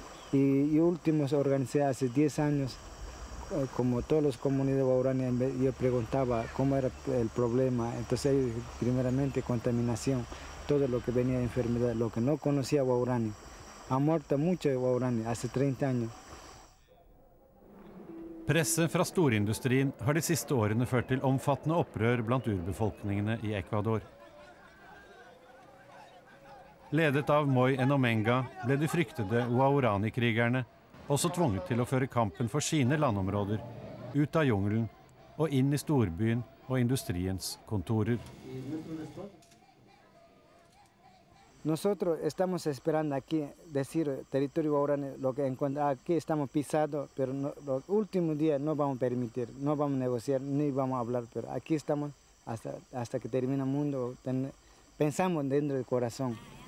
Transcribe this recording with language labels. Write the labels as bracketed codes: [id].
[es] Y últimos organizé hace 10 años como todos los comunidades de Aorani, yo preguntaba cómo era el problema. Entonces, primeramente contaminación. Todo lo que venía de enfermedad, lo que no conocía Waurani. Ha muerto mucho Waurani hace 30 años. [no] Pressen fra storindustrien har de siste årene ført til omfattende opprør blant urbefolkningene i Ecuador. Ledet av Moy Enomenga ble de fryktede Waurani-krigerne også tvunget til å føre kampen for sine landområder, ut av junglen og inn i storbyen og industriens kontorer. [es] Nosotros estamos esperando aquí decir territorio Waurani lo que encuentra aquí estamos pisado, pero no, los últimos días no vamos a permitir, no vamos a negociar ni vamos a hablar, pero aquí estamos hasta que termine el mundo, pensamos dentro del corazón.